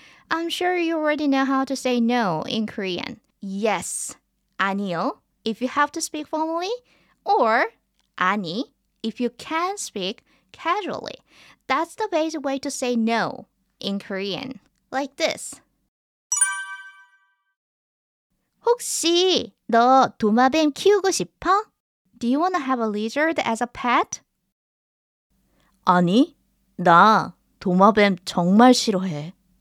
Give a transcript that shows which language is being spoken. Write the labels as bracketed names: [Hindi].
[English] I'm sure you already know how to say no in Korean. Yes, 아니요, if you have to speak formally, or 아니, if you can speak casually. That's the basic way to say no in Korean. Like this. [Korean] 혹시 너 도마뱀 키우고 싶어? [English] Do you want to have a lizard as a pet? [Korean] 아니, 나 도마뱀 정말 싫어해.